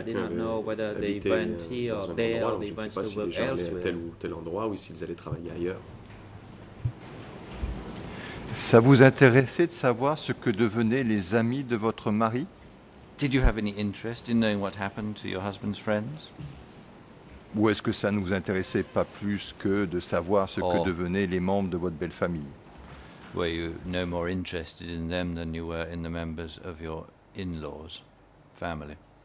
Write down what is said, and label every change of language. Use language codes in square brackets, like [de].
[en] I did not know whether they went here or there, or they went to work elsewhere. [fr] Tel ou tel endroit, ou s'ils allaient travailler ailleurs. Ça vous intéressait de savoir ce que devenaient les amis de votre mari? [en] Did you have any interest in knowing what happened to your husband's friends? [fr] Ou est-ce que ça ne vous intéressait pas plus que de savoir ce que devenaient les membres de votre belle famille? [en] Were you no more interested in them than you were in the members of your in-laws' family?